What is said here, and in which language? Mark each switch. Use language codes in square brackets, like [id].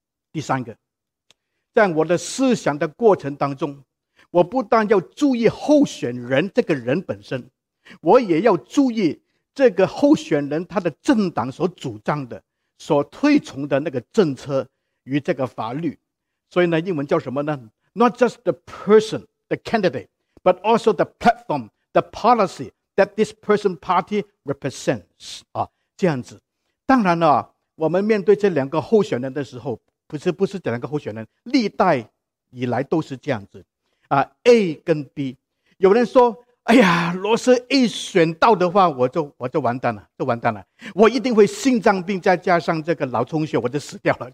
[zh] 第三个，在我的思想的过程当中，我不但要注意候选人这个人本身，我也要注意这个候选人他的政党所主张的、所推崇的那个政策与这个法律。所以呢，英文叫什么呢？ [en] Not just the person, the candidate, but also the platform, the policy that this person party represents. [zh] 这样子。当然了，我们面对这两个候选人的时候，不是这两个候选人，历代以来都是这样子。A 跟 B， 有人说哎呀，罗斯一选到的话，我就完蛋了，就完蛋了，我一定会心脏病，再加上这个脑充血，我就死掉了。